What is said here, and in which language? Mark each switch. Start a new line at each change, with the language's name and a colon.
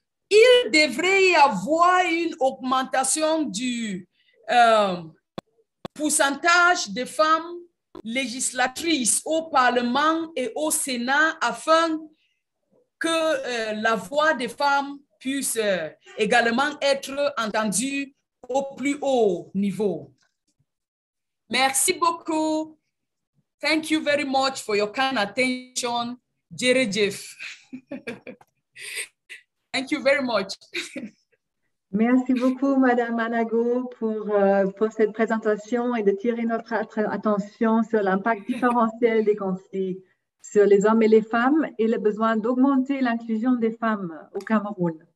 French: Il devrait y avoir une augmentation du pourcentage de femmes législatrices au Parlement et au Sénat afin que la voix des femmes puisse également être entendue au plus haut niveau. Merci beaucoup.
English: Thank you very much for your kind attention, Jerry Jeff. Thank you very much.
French: Merci beaucoup, Madame Anago, pour cette présentation et de tirer notre attention sur l'impact différentiel des conflits sur les hommes et les femmes et le besoin d'augmenter l'inclusion des femmes au Cameroun.